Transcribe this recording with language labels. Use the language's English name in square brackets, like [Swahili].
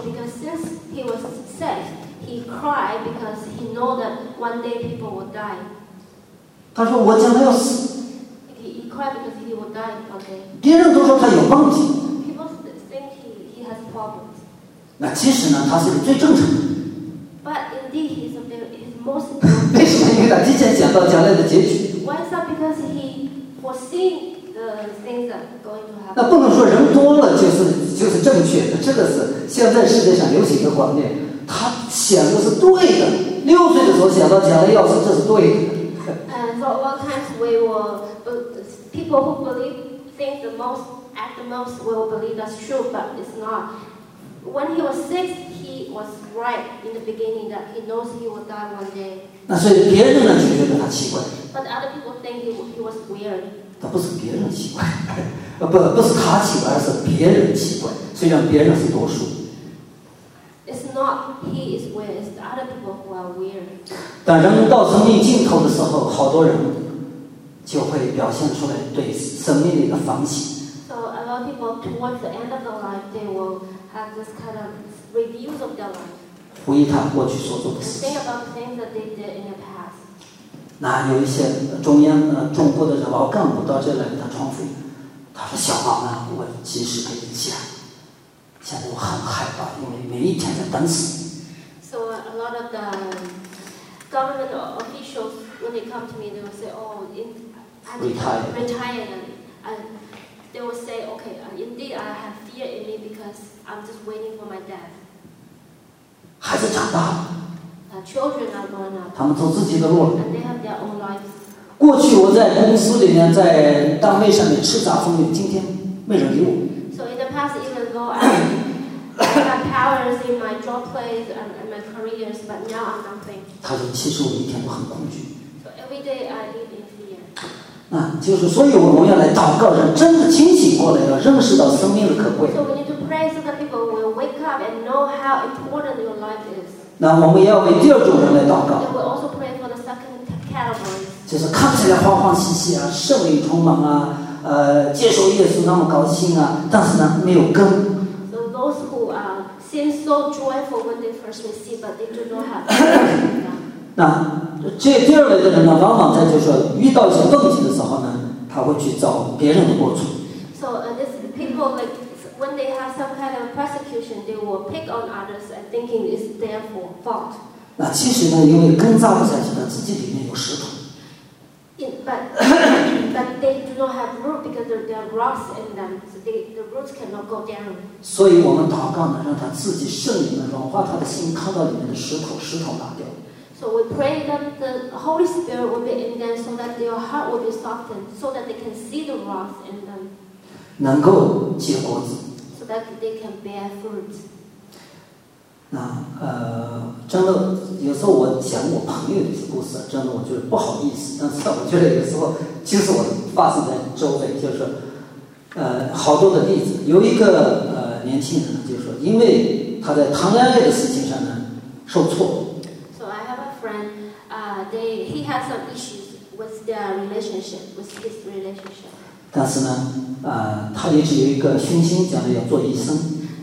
[English] Because since he was sick he cried because he knew that one day people would die [Chinese] 他说我讲了要死 [English] He cried because he would die one day [Chinese] 别人都说他有问题 [English] People think he has problems [Chinese] 那其实呢他是最正常的 [English] But indeed he's a very, he's most important [Chinese] 为什么因为他提前想到将来的结局 [English] Why is that because he foreseen the things that are going to happen [Chinese] 那不能说人多了就是正确的这个是现在世界上流行的观念他想的是对的六岁的时候想到将来要死这是对的 [English] So a lot of times we will people who believe things the most at the most will believe that's true but it's notWhen he was six, he was right in the beginning that he knows he will die one day. [Chinese] 那所以别人呢就觉得他奇怪。 [English] But other people think he was weird. [Chinese] 他不是别人奇怪，不是他奇怪，而是别人奇怪。虽然别人是多数。 [English] It's not he is weird. It's the other people who are weird. [Chinese] 但人到生命尽头的时候，好多人就会表现出来对生命的一个反省。 [English] So a lot of people towards the end of their life, they will. Have this kind of reviews of their life. [Chinese] 回忆他过去所做的事情。 [English] Think about the things that they did in the past. [Chinese] 那有一些中央中部的老干部到这来给他创富，他说：“小王啊，我及时跟你讲，现在我很害怕，因为每一天在等死。” [English] So a lot of the government officials when they come to me, they will say, "Oh, retired." They will say, okay, indeed I have fear in me because I'm just waiting for my death. [Chinese] 孩子长大了。 [English] Children are grown up. [Chinese] 他们走自己的路了。 [English] And they have their own lives. [Chinese] 过去我在公司里面在单位上面叱咤风云今天没人理我。 [English] So in the past, even though I had powers in my job place and my careers, but now I'm nothing. [Chinese] 他说其实我一天都很恐惧。 [English] So every day I live in fear. [Chinese] 那就是，所以我们要来祷告，让真的清醒过来，要认识到生命的可贵。 [English] So we need to pray so that people will wake up and know how important your life is. [Chinese] 那我们也要为第二种人来祷告。 [English] And we also pray for the second category. [Chinese] 就是看起来欢欢喜喜啊，圣灵充满啊，接受耶稣那么高兴啊，但是呢，没有根。 [English] So those who seem so joyful when they first receive, but they do not have. [Chinese] 那。这第二类的人呢，往往在就是遇到一些问题的时候呢，他会去找别人的过错。 [English] So these people like when they have some kind of persecution, they will pick on others and thinking it's their fault. [Chinese] 那其实呢，因为根扎不下去呢，自己里面有石头。 [English] But but they do not have root because there are rocks in them, so the roots cannot go down. [Chinese] 所以我们祷告呢，让他自己圣灵的融化他的心，靠到里面的石头，石头拿掉。 [English] So we pray that the Holy Spirit will be in them, so that their heart will be softened, so that they can see the rocks in them. [Chinese] 能够结果子。 [English] So that they can bear fruit. [Chinese] 那真的有时候我讲我朋友的故事，真的我觉得不好意思，但是我觉得有时候就是我发生在周围，就是好多的例子。有一个年轻人，就是说因为他在谈恋爱的事情上呢受挫。 [English] So I have a friend, he has some issues with their relationship, with his relationship. [Chinese] 但是呢他一直有一个雄心，将来要做医生。